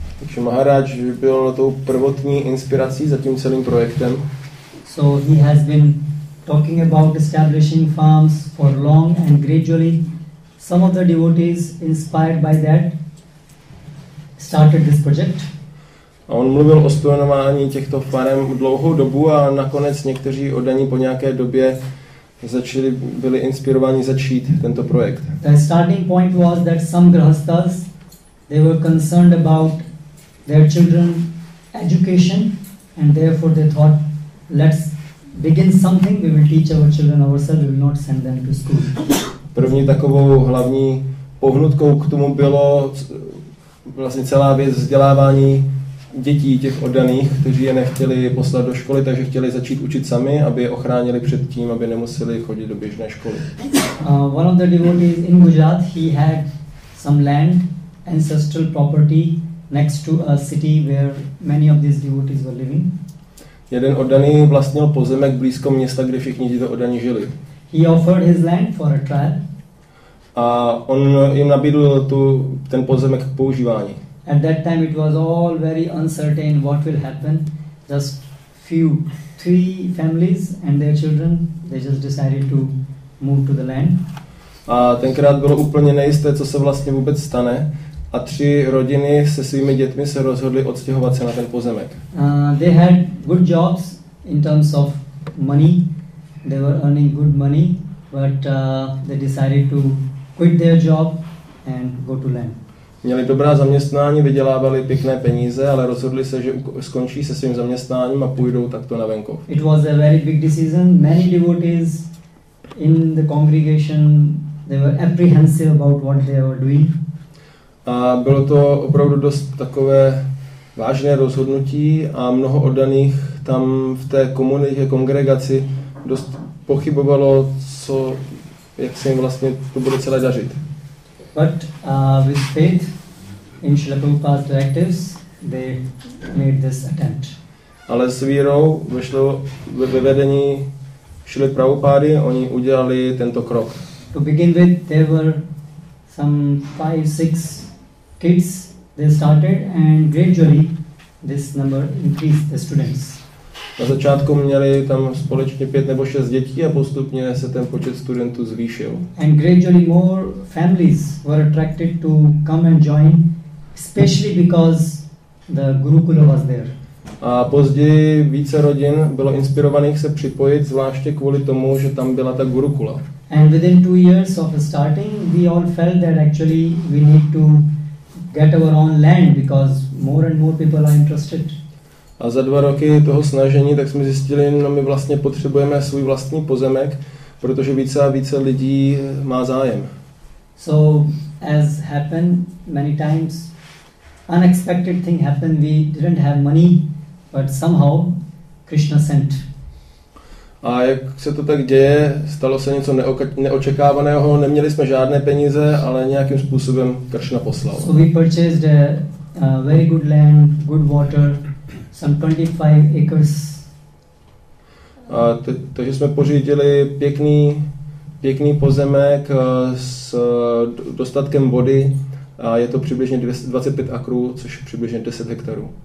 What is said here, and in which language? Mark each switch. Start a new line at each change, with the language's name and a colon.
Czech: Takže Maharaj byl tou prvotní inspirací za tím celým projektem.
English: So he has been talking about establishing farms for long and gradually some of the devotees inspired by that started this project.
Czech: A on mluvil o spojenování těchto farem dlouhou dobu a nakonec někteří oddaní po nějaké době začali byli inspirováni začít tento projekt.
English: The starting point was that some grihasthas they were concerned about their children's education and therefore they thought let's begin something, we will teach our children ourselves, we will not send them to school.
Czech: První takovou hlavní pohnutkou k tomu bylo vlastně celá věc vzdělávání dětí těch oddaných, kteří je nechtěli poslat do školy, takže chtěli začít učit sami, aby je ochránili před tím, aby nemuseli chodit do běžné školy.
English: One of the devotees in Gujarat, he had some land, ancestral property next to a city where many of these devotees were living.
Czech: Jeden oddaný vlastnil pozemek blízko města, kde všichni tito oddaní žili.
English: He offered his land for a trial.
Czech: A on jim nabídl ten pozemek k používání.
English: At that time it was all very uncertain what will happen. Just three families and their children, they just decided to move to the land.
Czech: A tenkrát bylo úplně nejisté, co se vlastně vůbec stane. A tři rodiny se svými dětmi se rozhodly odstěhovat se na ten pozemek.
English: They had good jobs in terms of money. They were earning good money, but they decided to quit their job and go to land.
Czech: Měli dobrá zaměstnání, vydělávali pěkné peníze, ale rozhodli se, že skončí se svým zaměstnáním a půjdou takto na venkov.
English: It was a very big decision. Many devotees in the congregation, they were apprehensive about what they were doing.
Czech: A bylo to opravdu dost takové vážné rozhodnutí a mnoho oddaných tam v té komunitě, kongregaci dost pochybovalo, co, jak se jim vlastně to bude celé dařit.
English: But with faith in Srila Prabhupada's directives, they made this attempt.
Czech: Ale s vírou vešlo ve vedení Srila Prabhupady, oni udělali tento krok.
English: To begin with, there were some 5-6 kids they started and gradually this number increased the students.
Czech: Na začátku měli tam společně 5 nebo 6 dětí a postupně se ten počet studentů zvýšil.
English: And gradually more families were attracted to come and join, especially because the Gurukula was there.
Czech: A později více rodin bylo inspirovaných se připojit, zvláště kvůli tomu, že tam byla ta Gurukula.
English: And within 2 years of starting, we all felt that actually we need to get our own land because more and more people are interested.
Czech: A za 2 roky toho snažení, tak jsme zjistili, no my vlastně potřebujeme svůj vlastní pozemek, protože více a více lidí má zájem.
English: So, as happened many times, unexpected thing happened, we didn't have money, but somehow Krishna sent.
Czech: A jak se to tak děje, stalo se něco neočekávaného, neměli jsme žádné peníze, ale nějakým způsobem Krishna poslal.
English: So we purchased a very good land, good water, some 25 acres.
Czech: Takže jsme pořídili pěkný pozemek s dostatkem vody a je to přibližně 25 akrů, což je přibližně 10 hektarů.